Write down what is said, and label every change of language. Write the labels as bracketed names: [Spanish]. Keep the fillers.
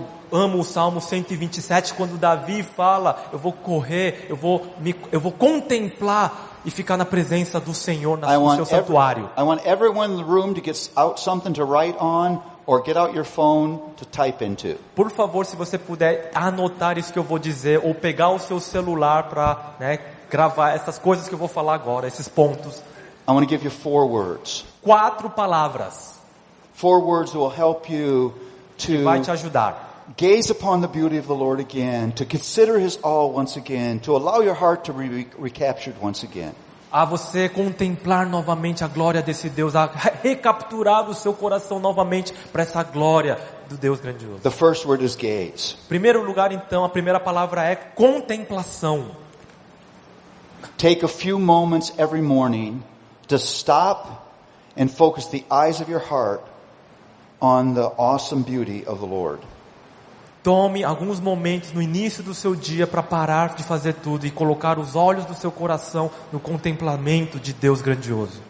[Portuguese] amo o Salmo 127 quando Davi fala: Eu vou correr, eu vou me, eu vou contemplar e ficar na presença do Senhor na, no seu todo, santuário. [English] I want everyone in the room to get out something to write on or get out your phone to type into. [Portuguese] Por favor, se você puder anotar isso que eu vou dizer ou pegar o seu celular para né, gravar essas coisas que eu vou falar agora, esses pontos. [English] I want to give you four words. [Portuguese] Quatro palavras. [English] Four words will help you to. [Portuguese] Que vai te ajudar. [English] A gaze upon the beauty of the Lord again, to consider his all once again, to allow your heart to be re recaptured once again. [Portuguese] A você contemplar novamente a glória desse Deus, a recapturar o seu coração novamente para essa glória do Deus grandioso. [English] The first word is gaze. [Portuguese] Primeiro lugar então, a primeira palavra é contemplação. [English] Take a few moments every morning to stop and focus the eyes of your heart on the awesome beauty of the Lord. [Portuguese] Tome alguns momentos no início do seu dia para parar de fazer tudo e colocar os olhos do seu coração no contemplamento de Deus grandioso.